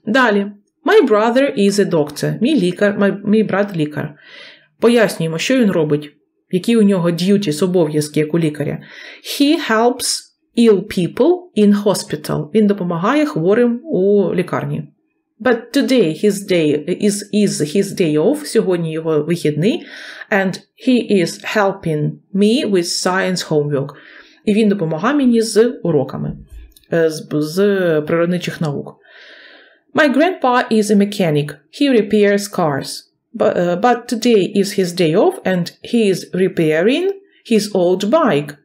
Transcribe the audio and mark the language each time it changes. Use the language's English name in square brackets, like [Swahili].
[Ukrainian] Далі. [English] My brother is a doctor. [Ukrainian] Мій лікар, мій брат лікар. Пояснюємо, що він робить, які у нього duties, обов'язки, як у лікаря. [English] He helps ill people in hospital. [Ukrainian] Він допомагає хворим у лікарні. [English] But today his day is his day off. [Ukrainian] Сьогодні його вихідний. [English] And he is helping me with science homework. [Ukrainian] І він допомагає мені з уроками, з природничих наук. [English] My grandpa is a mechanic. He repairs cars. But today is his day off and he is repairing his old bike.